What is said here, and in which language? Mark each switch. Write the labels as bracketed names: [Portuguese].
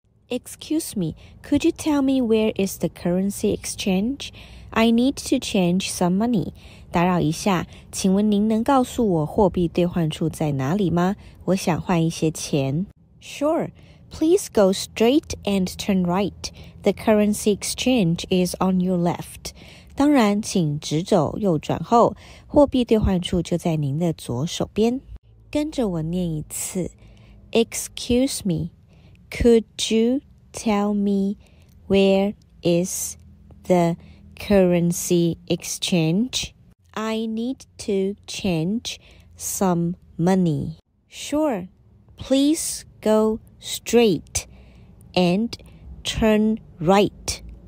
[English] Excuse me, could you tell me where is the currency exchange? I need to change some money. [Chinese] 打扰一下，请问您能告诉我货币兑换处在哪里吗？我想换一些钱。 [English] Sure, please go straight and turn right. The currency exchange is on your left. [Chinese] 当然，请直走右转后，货币兑换处就在您的左手边。跟着我念一次。 [English] Excuse me, could you tell me where is the currency exchange? I need to change some money. Sure, please go straight and turn right.